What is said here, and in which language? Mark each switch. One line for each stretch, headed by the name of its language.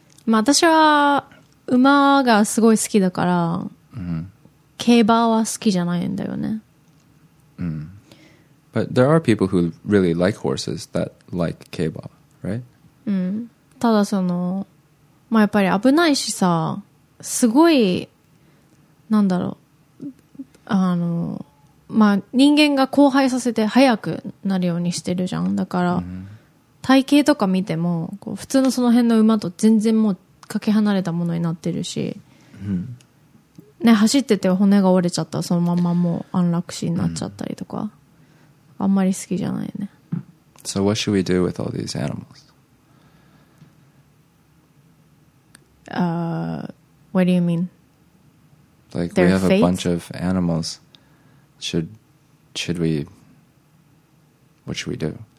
Japanese: 私は馬がすごい好きだから、競馬は好きじゃないんだよね。
English: But there are people who really like horses that like 競馬, right?
Japanese: ただその、まあやっぱり危ないしさ、すごい、なんだろう、あの、まあ人間が交配させて早くなるようにしてるじゃん。だから、体型とか見ても、こう普通のその辺の馬と全然もうかけ離れたものになってるし、ね、走ってて骨が折れちゃったらそのままもう安楽死になっちゃったりとか、あんまり好きじゃないね。
English: So what should we do with all these animals? What do you mean? Like, we have a bunch of animals. Should we... What should we do?